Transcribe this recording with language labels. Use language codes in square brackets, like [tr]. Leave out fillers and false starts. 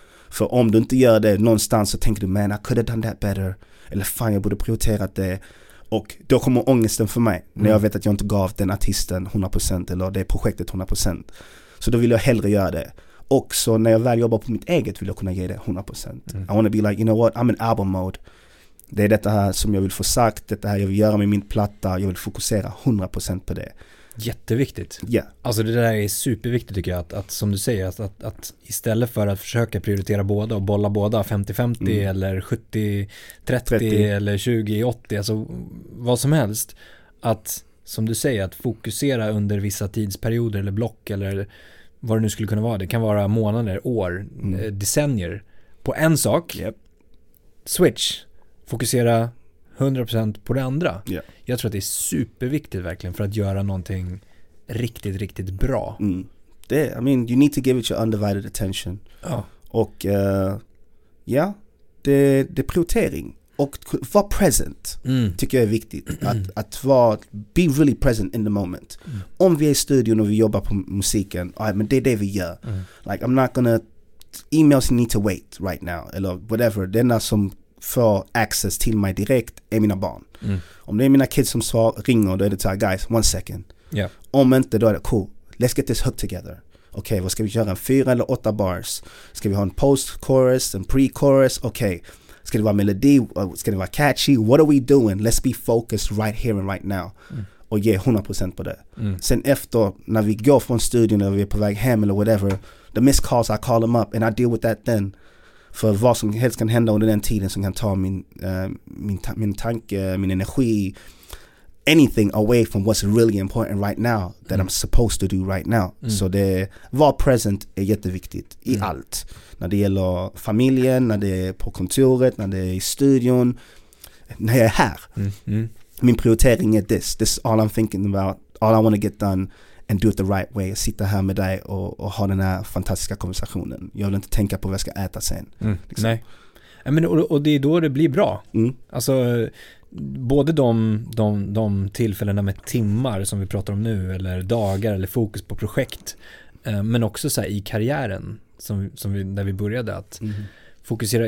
[sv] För om du inte gör det någonstans, så tänker du, man, [en] I could have done that better. [sv] Eller fan, jag borde prioriterat det. Och då kommer ångesten för mig. Mm. När jag vet att jag inte gav den artisten 100% eller det projektet 100%. Så då vill jag hellre göra det. Och så när jag väl jobbar på mitt eget, vill jag kunna ge det 100%. [en] Mm. I want to be like, you know what, I'm in album mode. [sv] Det är detta här som jag vill få sagt, detta här jag vill göra med min platta. Jag vill fokusera 100% på det. Jätteviktigt. [en] Yeah. [sv] Alltså det där är superviktigt, tycker jag, att som du säger, att istället för att försöka prioritera båda och bolla båda 50-50 eller 70-30 eller 20-80, alltså vad som helst, att som du säger, att fokusera under vissa tidsperioder eller block eller vad det nu skulle kunna vara, det kan vara månader, år, decennier på en sak. [en] Yep. [sv] Switch, fokusera 100% på det andra. [en] Yeah. [sv] Jag tror att det är superviktigt verkligen för att göra någonting riktigt, riktigt bra. [en] Det, I mean, you need to give it your undivided attention. [sv] Ja. Och ja, det är prioritering. och vara present tycker jag är viktigt. Att vara, [en] be really present in the moment. Mm. [sv] Om vi är i studion och vi jobbar på musiken, right, men det är det vi gör. Mm. [en] Like, I'm not gonna, emails need to wait right now, eller whatever. [sv] Det enda som får access till mig direkt är mina barn. Mm. Om det är mina kids som ringer, då är det så här, [en] guys, one second. Yeah. [sv] Om inte, då är det cool. [en] Let's get this hook together. [sv] Okej, vad ska vi göra? 4 eller 8 bars? Ska vi ha en post-chorus, en pre-chorus? Okej. Ska det vara melodi? Ska det vara catchy? [en] What are we doing? Let's be focused right here and right now. [sv] Mm. Och ge 100% på det. Mm. Sen efter, när vi går från studion eller vi är på väg hem eller whatever, [en] the missed calls, I call them up and I deal with that then. [sv] För vad som helst kan hända under den tiden som kan ta min tanke, min energi, [en] anything away from what's really important right now [sv] that I'm supposed to do right now. Mm. Så det, var present är jätteviktigt i allt. När det gäller familjen, när det är på kontoret, när det är i studion, när jag är här. Mm. Mm. Min prioritering är this. [en] This is all I'm thinking about. All I want to get done and do it the right way. [sv] Sitta här med dig och ha den här fantastiska konversationen. Jag vill inte tänka på vad jag ska äta sen. Mm. Liksom. Nej. Och det är då det blir bra. Mm. Alltså, både de tillfällena med timmar som vi pratar om nu, eller dagar, eller fokus på projekt, men också så här i karriären som vi, där vi började att fokusera.